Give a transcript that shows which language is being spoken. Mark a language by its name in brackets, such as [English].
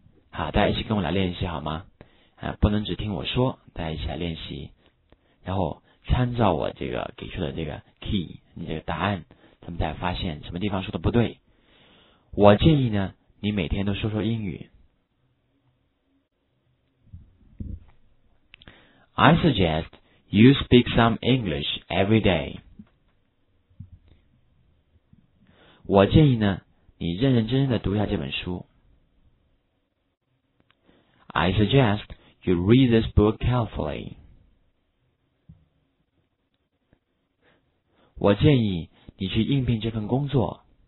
[Chinese] 好，大家一起跟我来练习好吗？不能只听我说，大家一起来练习，然后参照我这个给出的这个 key， 你这个答案，咱们再发现什么地方说的不对。我建议呢，你每天都说说英语。 [English] I suggest you speak some English every day. [Chinese] 我建议呢，你认认真真的读一下这本书。 [English] I suggest you read this book carefully. [Chinese] 我建议你去应聘这份工作。